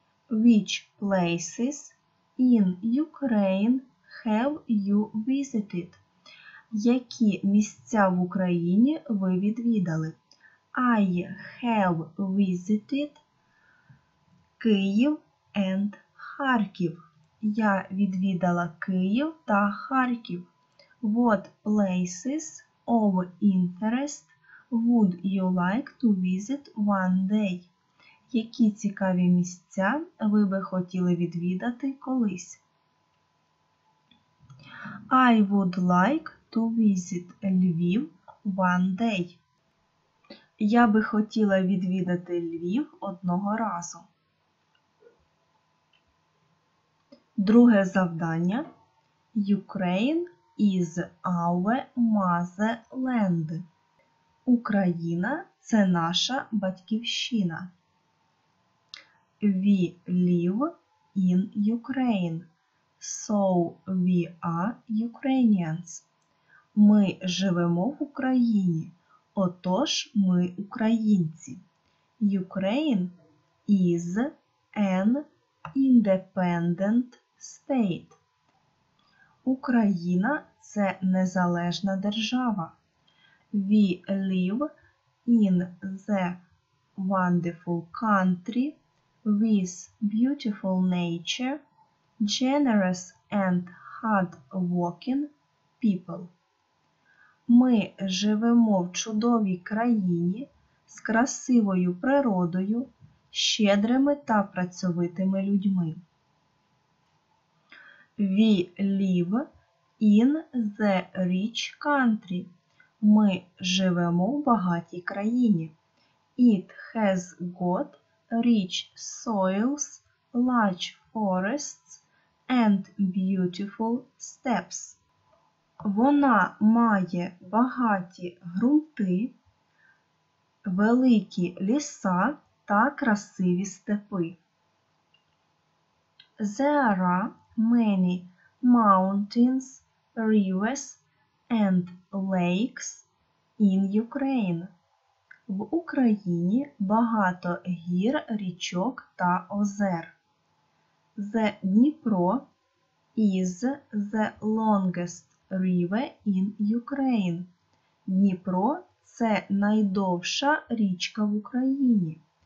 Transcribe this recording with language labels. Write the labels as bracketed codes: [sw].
[en] Which places in Ukraine have you visited? [uk] Які місця в Україні ви відвідали? [en] I have visited Київ and Харків. [uk] Я відвідала Київ та Харків. [en] What places of interest would you like to visit one day? [uk] Які цікаві місця ви би хотіли відвідати колись? [en] I would like to visit Львів one day. [uk] Я би хотіла відвідати Львів одного разу. Друге завдання. [en] Ukraine is our motherland. [uk] Україна – це наша батьківщина. [en] We live in Ukraine. So we are Ukrainians. [uk] Ми живемо в Україні, отож ми українці. [en] Ukraine is an independent state. [uk] Україна – це незалежна держава. [en] We live in the wonderful country with beautiful nature, generous and hard-working people. [uk] Ми живемо в чудовій країні з красивою природою, щедрими та працьовитими людьми. [en] We live in the rich country. [uk] Ми живемо в багатій країні. [en] It has got rich soils, large forests, and beautiful steppes. [uk] Вона має багаті ґрунти, великі ліса та красиві степи. [en] There are many mountains, rivers, and lakes in Ukraine. [uk] В Україні багато гір, річок та озер. [en] The Dnipro is the longest river in Ukraine. [uk] Дніпро – це найдовша річка в Україні.